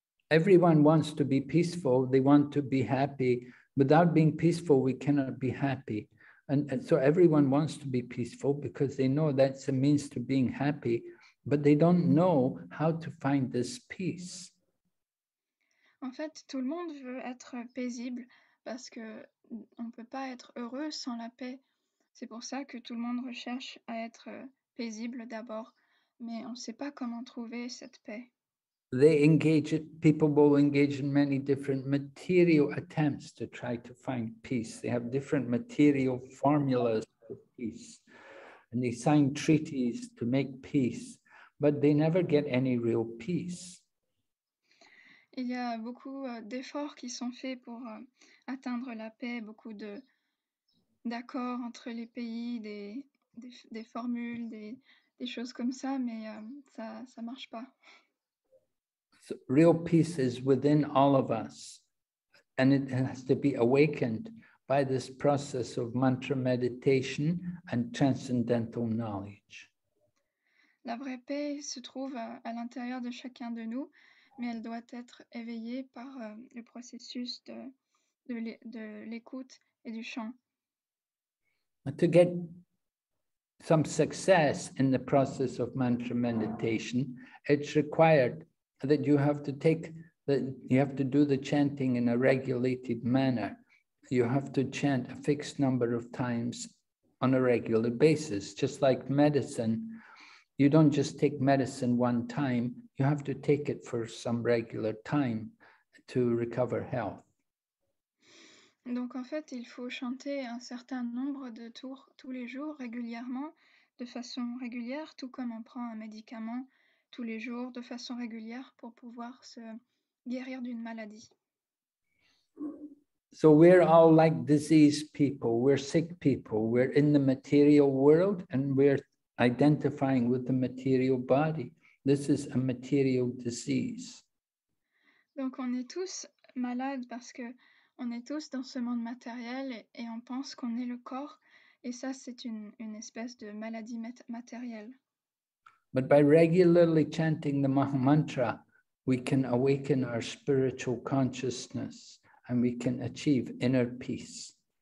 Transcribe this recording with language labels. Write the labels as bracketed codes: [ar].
[en] Everyone wants to be peaceful, they want to be happy. Without being peaceful, we cannot be happy. And so everyone wants to be peaceful because they know that's a means to being happy, but they don't know how to find this peace. [fr] En fait, tout le monde veut être paisible parce que on peut pas être heureux sans la paix. C'est pour ça que tout le monde recherche à être paisible d'abord, mais on sait pas comment trouver cette paix. [en] People will engage in many different material attempts to try to find peace. They have different material formulas for peace, and they sign treaties to make peace, but they never get any real peace. [fr] Il y a beaucoup d'efforts qui sont faits pour atteindre la paix, beaucoup d'accords entre les pays, des formules, des choses comme ça, mais ça marche pas. [en] So real peace is within all of us, and it has to be awakened by this process of mantra meditation and transcendental knowledge. [fr] La vraie paix se trouve à l'intérieur de chacun de nous, mais elle doit être éveillée par le processus de l'écoute et du chant. [en] To get some success in the process of mantra meditation, it's required that you have to do the chanting in a regulated manner. You have to chant a fixed number of times on a regular basis, just like medicine. You don't just take medicine one time, you have to take it for some regular time to recover health. [fr] Donc en fait, il faut chanter un certain nombre de tours tous les jours, régulièrement, de façon régulière, tout comme on prend un médicament tous les jours de façon régulière pour pouvoir se guérir d'une maladie. [en] So we're all like diseased people, we're sick people, we're in the material world and we're identifying with the material body. This is a material disease. [fr] Donc on est tous malades parce que on est tous dans ce monde matériel et on pense qu'on est le corps et ça c'est une espèce de maladie matérielle. [en] But by regularly chanting the Maha Mantra, we can awaken our spiritual consciousness and we can achieve inner peace.